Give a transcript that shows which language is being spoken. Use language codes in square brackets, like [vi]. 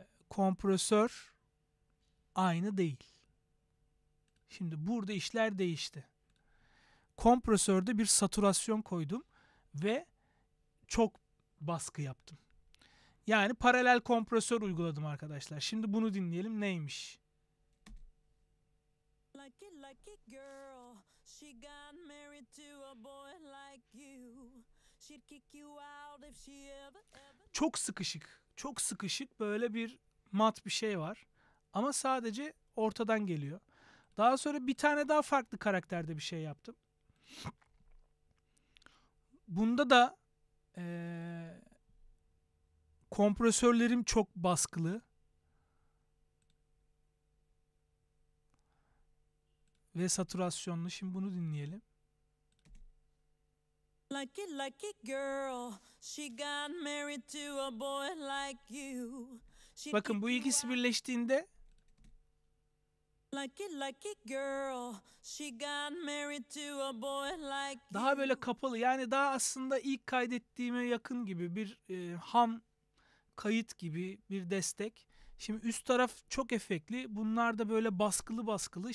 [tr] Kompresör aynı değil. Şimdi burada işler değişti. Kompresörde bir satürasyon koydum. Ve çok baskı yaptım. Yani paralel kompresör uyguladım arkadaşlar. Şimdi bunu dinleyelim neymiş. [en] Lucky, lucky girl, she got married to a boy like you. She'd kick you out if she ever, ever... [tr] Çok sıkışık. Çok sıkışık böyle bir mat bir şey var. Ama sadece ortadan geliyor. Daha sonra bir tane daha farklı karakterde bir şey yaptım. Bunda da kompresörlerim çok baskılı. Ve satürasyonlu. Şimdi bunu dinleyelim. [en] Lucky, lucky girl, she got married to a boy like you. [tr] Bakın bu ikisi birleştiğinde. [en] Lucky, lucky girl, she got married to a boy like you. [tr] Daha böyle kapalı, yani daha aslında ilk kaydettiğime yakın gibi bir ham kayıt gibi bir destek. Şimdi üst taraf çok efektli. Bunlar da böyle baskılı baskılı.